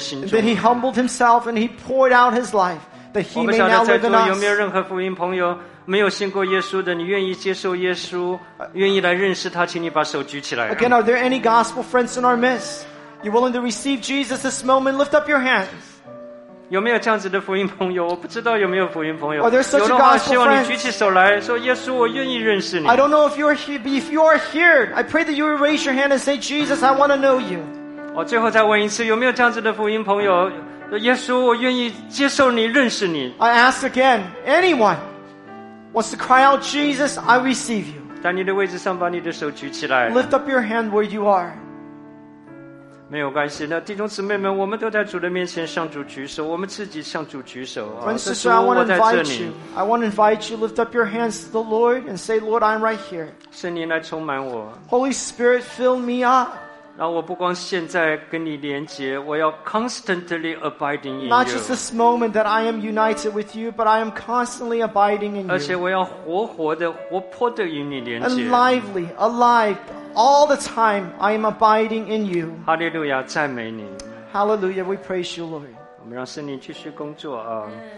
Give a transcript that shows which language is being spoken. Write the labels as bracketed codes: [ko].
[en] Then he humbled himself and he poured out his life that he may now live in us. [zh] 我不晓得有没有任何福音朋友没有信过耶稣的，你愿意接受耶稣，愿意来认识他，请你把手举起来。 [en] Again, are there any gospel friends in our midst? You willing to receive Jesus this moment? Lift up your hands. [zh] 有没有这样子的福音朋友？我不知道有没有福音朋友。 [en] Oh, there's such a gospel friend. [zh] 有的话，希望你举起手来说：“耶稣，我愿意认识你。” [en] I don't know if you are here. If you are here, I pray that you will raise your hand and say, "Jesus, I want to know you." [zh] 我最后再问一次，有没有这样子的福音朋友？耶稣，我愿意接受你，认识你。 [en] I ask again, anyone wants to cry out, "Jesus, I receive you." [zh] 在你的位置上，把你的手举起来。 [en] Lift up your hand where you are. [zh] 没有关系那弟兄姊妹们我们都在主的面前向主举手我们自己向主举手 [en] Friend, sister, I want to invite you. I want to invite you. Lift up your hands to the Lord and say, Lord, I'm right here. [zh] 圣灵来充满我 [en] Holy Spirit, fill me up. [zh] 让我不光现在跟你连接我要 [en] constantly abiding in you. Not just this moment that I am united with you, but I am constantly abiding in you. [zh] 而且我要活活的活泼的与你连接 [en] And lively, alive. All the time, I am abiding in you. [zh] Hallelujah, 赞美你。 [en] Hallelujah, we praise you, Lord. [zh] 我们让圣灵继续工作啊。